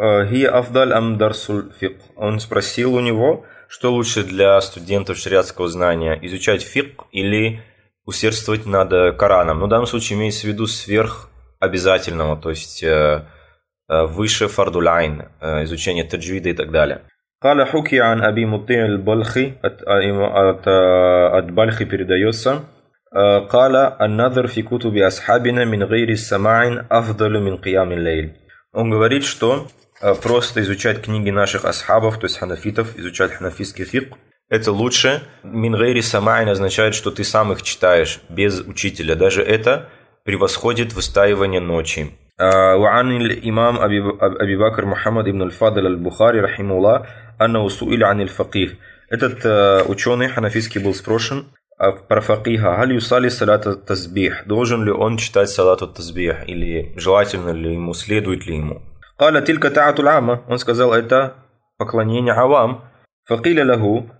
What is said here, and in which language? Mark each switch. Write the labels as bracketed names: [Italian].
[Arabic] «Хия афдаль ам дарсул фик». [Russian] Он спросил у него, что лучше для студентов шариатского знания, изучать фик или усердствовать над Кораном. Но в данном случае имеется в виду сверх обязательного, то есть выше фардулайн, изучение таджвида и так далее. [Arabic] «Кала хуки ан аби мутиль бальхи», [Russian] от Бальхи передается. [Arabic] قال النظر في كتب أصحابنا من غير السماع أفضل من قيام الليل. [Russian] Он говорит, что просто изучать книги наших асхабов, то есть ханафитов, изучать ханафитский фикх, это лучше. [Arabic] Мин гайри самаин [Russian] означает, что ты сам их читаешь без учителя. Даже это превосходит выстаивание ночи. [Arabic] وعن الإمام أبي بكر محمد بن الفضل البخاري رحمه الله أنه سئل عن الفقيه. [Russian] Этот ученый ханафитский был спрошен. Про факиха. [Arabic] Хал юсали салата тазбих. [Russian] Должен ли он читать салату тазбих? Или желательно ли ему? Следует ли ему? [Arabic] Кала тилька таату лама. [Russian] Он сказал, это поклонение авам. [Arabic] Факиля лаху.